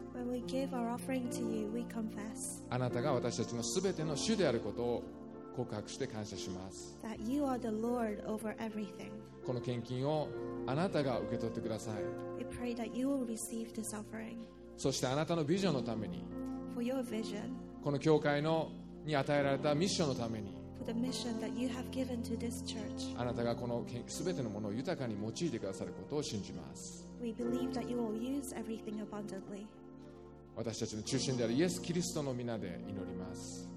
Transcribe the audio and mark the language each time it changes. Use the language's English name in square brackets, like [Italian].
[English] When we give our offering to you, we confess. [Japanese] あなたが私たちのすべての主であることを告白して感謝します。 [English] That you are the Lord over everything. [Japanese] この献金をあなたが受け取ってください。 [English] We pray that you will receive this offering. [Japanese] そしてあなたのビジョンのために [English] For your vision. [Japanese] この教会のに与えられたミッションのために [English] For the mission that you have given to this church. [Japanese] あなたがこのすべてのものを豊かに用いてくださることを信じます。 [English] We believe that you will use everything abundantly. [Japanese] 私たちの中心であるイエス・キリストの名で祈ります。